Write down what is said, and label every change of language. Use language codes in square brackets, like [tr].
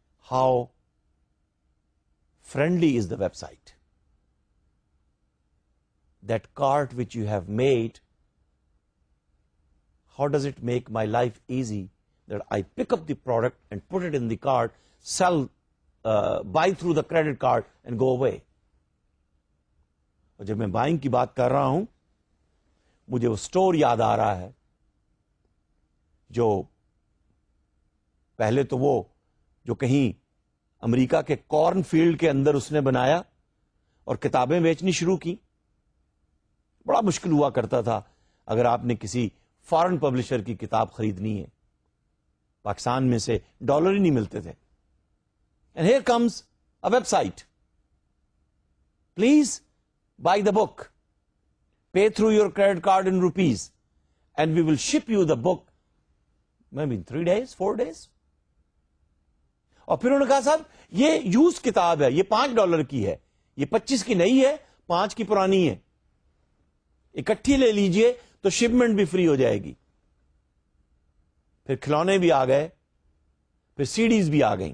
[en] How friendly is the website? That cart which you have made, how does it make my life easy that I pick up the product and put it in the cart, sell, buy through the credit card and go away. [ur] جب میں buying کی بات کر رہا ہوں, مجھے وہ store یاد آ رہا ہے جو پہلے تو وہ جو کہیں امریکہ کے کارن فیلڈ کے اندر اس نے بنایا اور کتابیں بیچنی شروع کی. بڑا مشکل ہوا کرتا تھا اگر آپ نے کسی فارن پبلشر کی کتاب خریدنی ہے, پاکستان میں سے ڈالر ہی نہیں ملتے تھے. [en] And here comes a website, please buy the book, pay through your credit card in rupees and we will ship you the book may be 3 days 4 days. [ur] اور پھر انہوں نے کہا صاحب یہ یوز کتاب ہے, یہ $5 کی ہے, یہ 25 کی نہیں ہے, 5 کی پرانی ہے, اکٹھی لے لیجئے تو شپمنٹ بھی فری ہو جائے گی. پھر کھلونے بھی آ گئے, پھر CDs بھی آ گئیں.